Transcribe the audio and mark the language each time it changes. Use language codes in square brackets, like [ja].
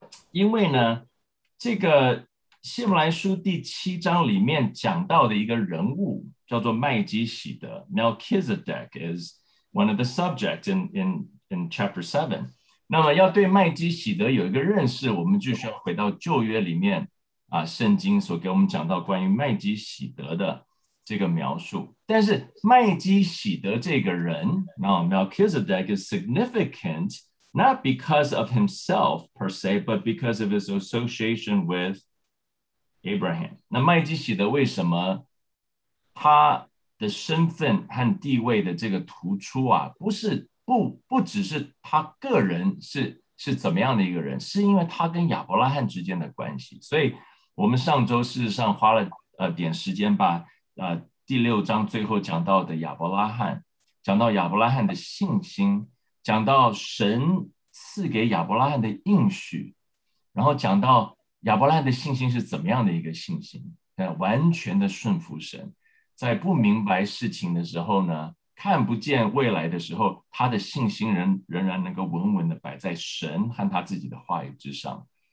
[zh] 因为呢，这个希伯来书第七章里面讲到的一个人物叫做麦基洗德 [en] Melchizedek is one of the subjects in chapter 7。 [zh] 那么要对麦基洗德有一个认识，我们就需要回到旧约里面圣经所给我们讲到关于麦基洗德的这个描述。但是麦基洗德这个人 [en] Melchizedek is significant not because of himself per se, but because of his association with Abraham. [zh] 那麦基洗德为什么他的身份和地位的这个突出啊，不只是他个人 是怎么样的一个人，是因为他跟亚伯拉罕之间的关系。所以我们上周事实上花了点时间把第六章最后讲到的亚伯拉罕，讲到亚伯拉罕的信心，讲到神赐给亚伯拉罕的应许，然后讲到亚伯拉罕的信心是怎么样的一个信心，完全的顺服神，在不明白事情的时候呢，看不见未来的时候，他的信心仍然能够稳稳的摆在神和他自己的话语之上。